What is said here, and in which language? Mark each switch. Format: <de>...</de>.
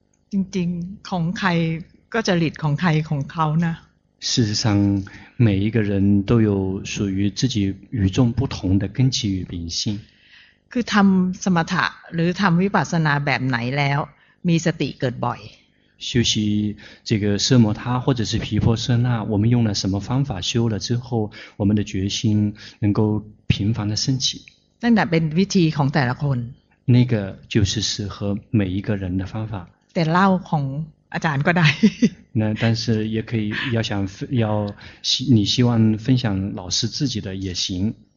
<th>จริงๆของใครก็จริตของใครของเขานะ</th> <zh>事实上每一个人都有属于自己与众不同的根基与秉性</zh> <th>คือทำสมถะหรือทำวิปัสสนาแบบไหนแล้วมีสติเกิดบ่อย</th> <zh>修习这个奢摩他或者是毗婆舍那我们用了什么方法修了之后我们的决心能够频繁的升起</zh> <th>นั่นแหละเป็นวิธีของแต่ละคน</th> <zh>那个就是适合每一个人的方法</zh> <th>แต่เล่าของอาจารย์ก็ได้</th> <zh>นะ但是也可以要想要你希望分享老师自己的也行</zh>